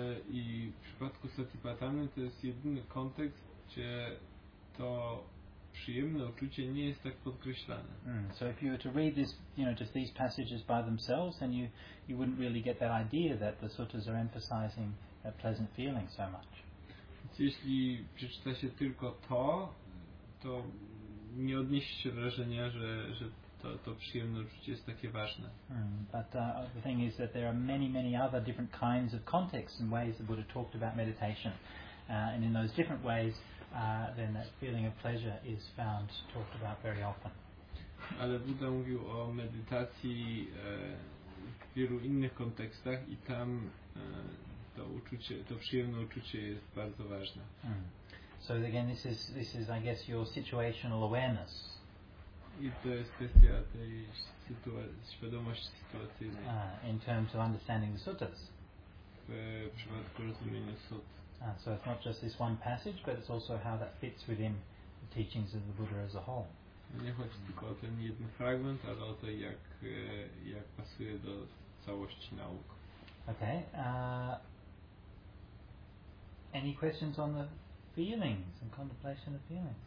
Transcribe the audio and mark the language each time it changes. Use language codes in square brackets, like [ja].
[pl] I w przypadku Satipatthany to jest jedyny kontekst, gdzie to przyjemne uczucie nie jest tak podkreślane. [en] So if you were to read this, you know, just these passages by themselves, then you wouldn't really get that idea that the suttas are emphasizing that pleasant feeling so much. [pl] Jeśli przeczyta się tylko to, to nie odniesie się wrażenia, że to przyjemne uczucie jest takie ważne. [en] But the thing is that there are many, many other different kinds of contexts and ways the Buddha talked about meditation. And in those different ways, then that feeling of pleasure is found, talked about very often. [pl] Ale Buddha mówił o medytacji w wielu innych kontekstach i tam to uczucie, to przyjemne uczucie jest bardzo ważne. [en] So again, this is, I guess, your situational awareness. [pl] I to jest kwestia tej świadomości sytuacyjnej. [en] In terms of understanding the suttas. [pl] W przypadku rozumienia sut. [en] So it's not just this one passage, but it's also how that fits within the teachings of the Buddha as a whole. [pl] Nie chodzi tylko o ten jeden fragment, ale o to, jak pasuje do całości nauk. [en] Okay. Any questions on the feelings and contemplation of feelings?